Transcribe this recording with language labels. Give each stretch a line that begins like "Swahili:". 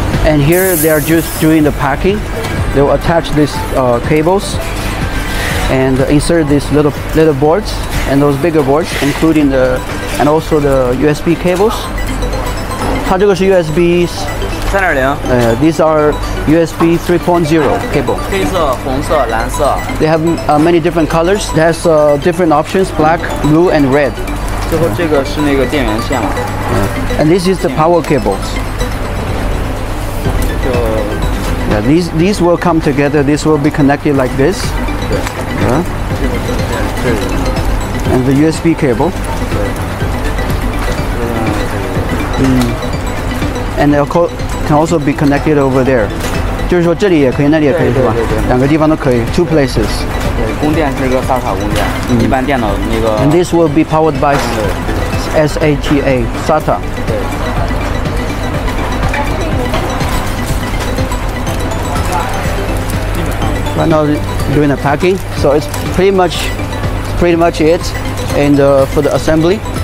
English: And here they are just doing the packing. They will attach these cables and insert these little boards and those bigger boards, including the, and also the USB cables.
Chinese: 它这个是 USB.
English: 3.0 These are USB 3.0 cable.
Chinese: 黑色、红色、蓝色
English: They have many different colors. It has different options, black, blue, and red.
Chinese: 最后这个是那个电源线嘛
English: And this is the power cables. Yeah, these will come together. This will be connected like this. And the USB cable. And they'll call... Can also be connected over there.
Chinese: 就是说这里也可以那里也可以是吧两个地方都可以
English: two places.
Chinese: 对供电是一个萨塔供电、一般电脑那个
English: And this will be powered by SATA, SATA.
Chinese: 对
English: Right now doing the packing. So it's pretty much it and, for the assembly.